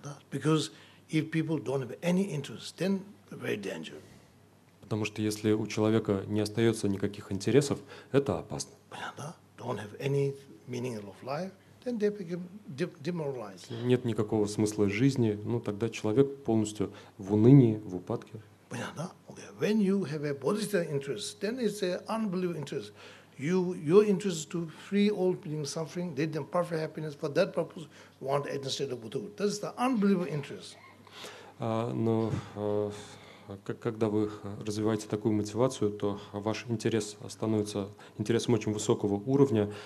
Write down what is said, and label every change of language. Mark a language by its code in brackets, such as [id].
[en] Because if people don't have any interest, then very dangerous. [ru] Потому что если у человека не остается никаких интересов, это опасно. [en] Don't have any meaning of life. Then they become demoralized. [ru] Нет никакого смысла жизни, ну тогда человек полностью в унынии, в упадке. Понятно? there. [en] When you have a bodhisattva interest, then it's an unbelievable interest. Your interest is to free all beings suffering, lead them perfect happiness, for that purpose you want to enter the state of Buddha. That is the unbelievable interest. [ru] Но когда вы развиваете такую мотивацию, то ваш интерес становится интересом очень высокого уровня.